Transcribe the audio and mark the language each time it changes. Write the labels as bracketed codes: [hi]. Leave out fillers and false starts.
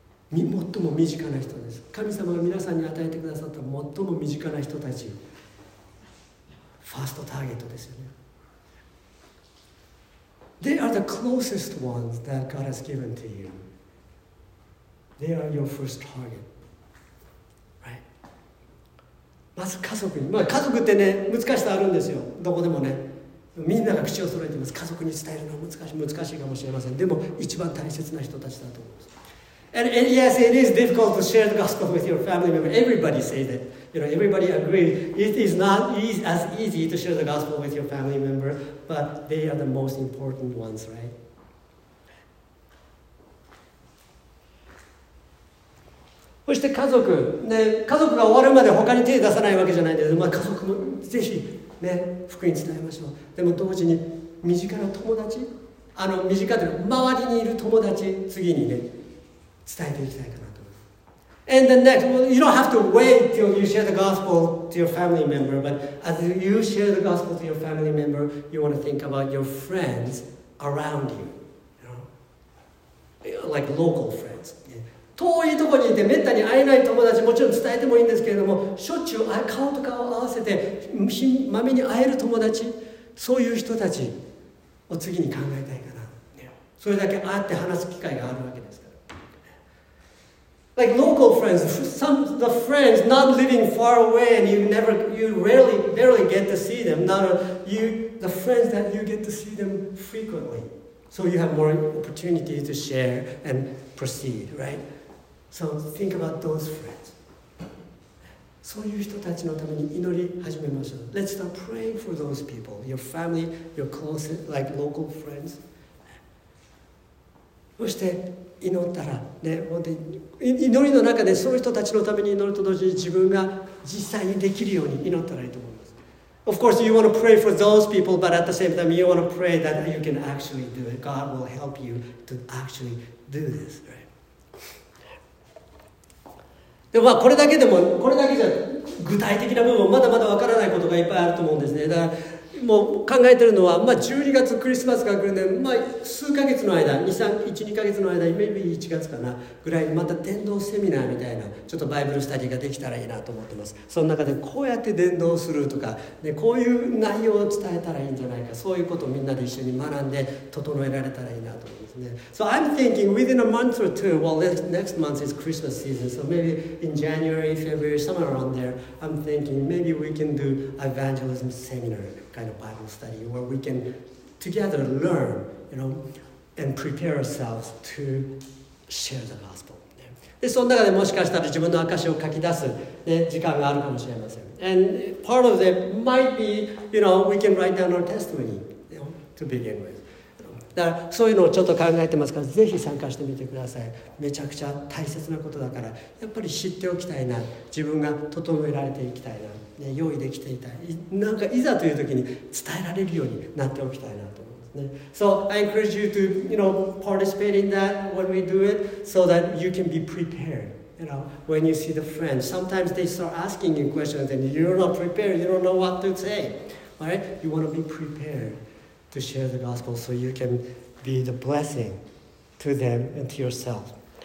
[ja] 最も身近な人です。神様が皆さんに与えてくださった最も身近な人たち、ファーストターゲットですよね。 [en] They are the closest ones that God has given to you. They are your first target. Right? [ja] まず家族に。まあ家族ってね、難しさあるんですよ。どこでもね。みんなが口を揃えています。家族に伝えるのは難しいかもしれません。でも一番大切な人たちだと思います。 [en] And yes, it is difficult to share the gospel with your family member. Everybody says that. You know, everybody agrees. It is not easy, as easy to share the gospel with your family member, but they are the most important ones, right? [ja] そして家族、ね、家族が終わるまで他に手を出さないわけじゃないんです。まあ、家族もぜひ、ね、福音伝えましょう。でも同時に身近な友達、あの身近というか周りにいる友達、次にね、伝えていきたいかなと思います。 [en] And the next, well, you don't have to wait till you share the gospel to your family member, but as you share the gospel to your family member, you want to think about your friends around you. You know? Like local friends. [ja] 遠いところにいて、めったに会えない友達、もちろん伝えてもいいんですけれども、しょっちゅう顔と顔を合わせて、まめに会える友達、そういう人たちを次に考えたいかな。それだけ会って話す機会があるわけです。 [en] Like local friends, some the friends not living far away, and you never, you barely get to see them. Now you, the friends that you get to see them frequently, so you have more opportunity to share and proceed, right? So think about those friends. [ja] そういう人たちのために祈り始めましょう。 [en] Let's start praying for those people, your family, your close, like local friends. [ja] そして祈ったら、ね、祈りの中でそういう人たちのために祈ると同時に自分が実際にできるように祈ったらいいと思います。 [en] Of course, you want to pray for those people, but at the same time, you want to pray that you can actually do it. God will help you to actually do this, right? [ja] でまあ、これだけでもこれだけじゃ具体的な部分まだまだわからないことがいっぱいあると思うんですね。だからもう考えてるのは、まあ、12月クリスマスが来るね、まあ、数ヶ月の間 2,3,1,2 ヶ月の間 maybe 1月かなぐらいにまた伝道セミナーみたいなちょっとバイブルスタディができたらいいなと思ってます。その中でこうやって伝道するとか、ね、こういう内容を伝えたらいいんじゃないか、そういうことをみんなで一緒に学んで整えられたらいいなと思います。 [en] So I'm thinking within a month or two, well, next month is Christmas season, so maybe in January, February, somewhere around there, I'm thinking maybe we can do evangelism seminar kind of Bible study where we can together learn, you know, and prepare ourselves to share the gospel. [ja] で、その中でもしかしたら自分の証を書き出す、ね、時間があるかもしれません。 [en] And part of it might be, you know, we can write down our testimony, you know, to begin with. [ja] だからそういうのをちょっと考えてますから、ぜひ参加してみてください。めちゃくちゃ大切なことだから、やっぱり知っておきたいな、自分が整えられていきたいな、ね、用意できていたい、なんかいざという時に伝えられるようになっておきたいなと思うんですね。 [en] So I encourage you to, you know, participate in that when we do it, so that you can be prepared, you know, when you see the friends. Sometimes they start asking you questions and you're not prepared, you don't know what to say, alright? You want to be prepared. To share the gospel so you can be the blessing to them and to yourself.